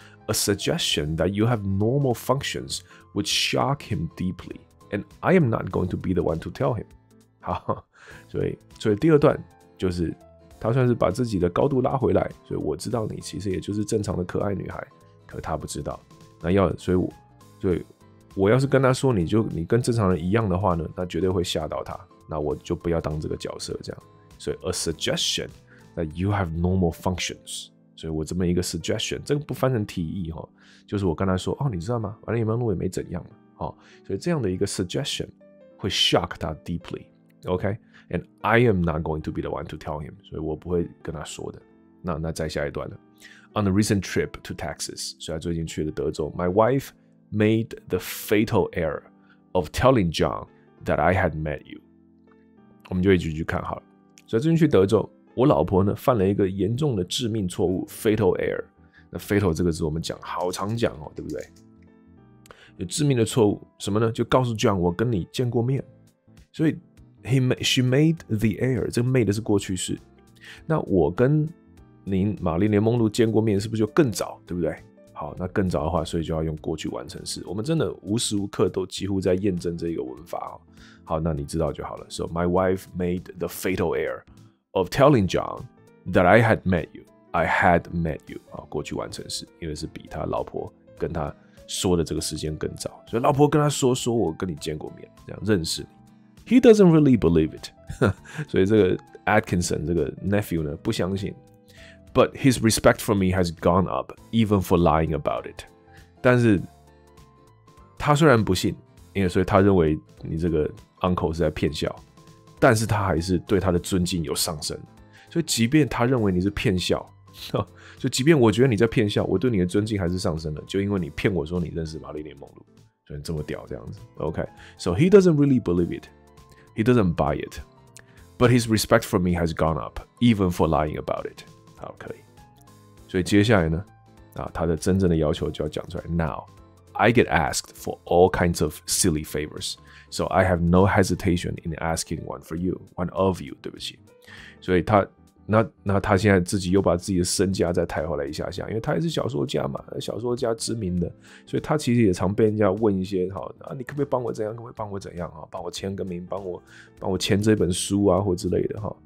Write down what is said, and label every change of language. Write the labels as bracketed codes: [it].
[en] A suggestion that you have normal functions would shock him deeply, and I am not going to be the one to tell him. [zh] 好，所以第二段就是他算是把自己的高度拉回来，所以我知道你其实也就是正常的可爱女孩，可他不知道。那要所以我要是跟他说你跟正常人一样的话呢，那绝对会吓到他，那我就不要当这个角色这样。 [en] 所以 a suggestion that you have normal functions。 [zh] 所以我这么一个 suggestion， 这个不翻成提议，就是我跟他说，哦，你知道吗？玛丽莲梦露也没怎样嘛，哦，所以这样的一个 suggestion 会 shock 他 deeply， OK？ [en] And I am not going to be the one to tell him， [zh] 所以我不会跟他说的。那再下一段了。 [en] On a recent trip to Texas， [zh] 所以他最近去了德州。 [en] My wife made the fatal error of telling John that I had met you。 [zh] 我们就一句句看好了。所以最近去德州。我老婆呢犯了一个严重的致命错误 ，fatal error。那 fatal 这个字我们讲好常讲哦，对不对？有致命的错误什么呢？就告诉 John 我跟你见过面，所以 [en] she made the error。 [zh] 这个 made 是过去式。那我跟您玛丽莲梦露见过面，是不是就更早？对不对？好，那更早的话，所以就要用过去完成式。我们真的无时无刻都几乎在验证这个文法哦。好，那你知道就好了。 [en] So my wife made the fatal error。 Of telling John that I had met you, I had met you [zh] 啊，过去完成式，因为是比他老婆跟他说的这个时间更早，所以老婆跟他说我跟你见过面，这样认识你。 [en] He doesn't really believe it， [zh] 所以这个 Atkinson 这个 nephew 呢不相信。 [en] But his respect for me has gone up even for lying about it。 [zh] 但是他虽然不信，因为所以他认为你这个 uncle 是在骗笑，但是他还是对他的尊敬有上升。所以即便他认为你是骗笑，就即便我觉得你在骗笑，我对你的尊敬还是上升了，就因为你骗我说你认识玛丽莲梦露，所以你这么屌这样子。 [en] OK， so he doesn't really believe it， he doesn't buy it， but his respect for me has gone up even for lying about it。 [zh] 好，可以。所以接下来呢，他的真正的要求就要讲出来。 [en] Now I get asked for all kinds of silly favors， so I have no hesitation in asking one of you， [zh] 对不起。所以他那他现在自己又把自己的身家再抬回来一下下，因为他也是小说家嘛，小说家知名的，所以他其实也常被人家问一些，好，你可不可以帮我怎样，可不可以帮我怎样，帮我签个名，帮我签这本书啊，或之类的，